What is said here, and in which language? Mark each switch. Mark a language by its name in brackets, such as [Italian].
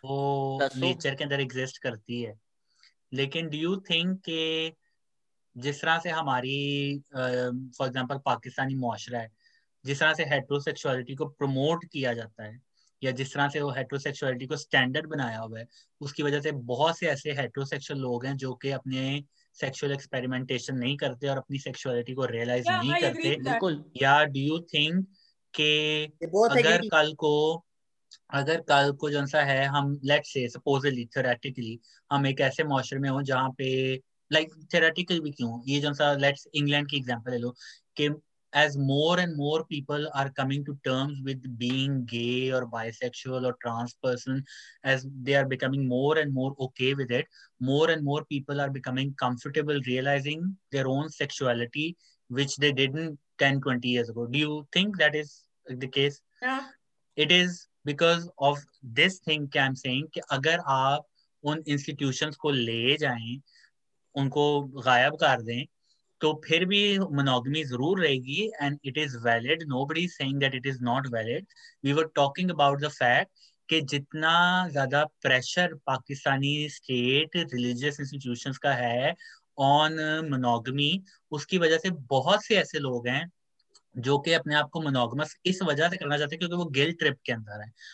[Hindi] वो नेचर के अंदर एग्जिस्ट करती है, लेकिन [English] do you think [Hindi] के जिस तरह से हमारी फॉर एग्जाम्पल पाकिस्तानी मुआशरा है, जिस तरह से हेटरोसेक्सुअलिटी को प्रमोट किया जाता है या जिस तरह से वो हेटरोसेक्सुअलिटी को स्टैंडर्ड बनाया हुआ है, उसकी वजह से बहुत से ऐसे हेटरोसेक्सुअल लोग हैं जो कि अपने सेक्सुअल एक्सपेरिमेंटेशन नहीं करते और अपनी सेक्सुअलिटी को रियलाइज नहीं करते? या [English] do you think [Hindi] के अगर कल को जन सा है हम [English] let's say supposedly theoretically [Hindi] हम एक ऐसे मॉशर में हो जहाँ पे लाइक थ्योरेटिकल भी क्यों ये जो सा लेट्स इंग्लैंड की एग्जाम्पल ले लो कि [English] as more and more people are coming to terms with being gay or bisexual or trans person, as they are becoming more and more okay with it, more and more people are becoming comfortable realizing their own sexuality, which they didn't 10, 20 years ago. Do you think that is the case? Yeah. It is because of this thing that I'm saying, [Hindi] ki agar aap un institutions ko le jayein, unko ghayab kar dein, तो फिर भी monogamy जरूर रहेगी [English] And it is valid. Nobody saying that it is not valid. We were talking about the fact [Hindi] कि जितना ज्यादा pressure Pakistani state religious institutions का है [English] on monogamy, [Hindi] उसकी वजह से बहुत से ऐसे लोग हैं जो कि अपने आप को मोनोगमस इस वजह से करना चाहते हैं क्योंकि वो गिल्ट ट्रिप के अंदर है.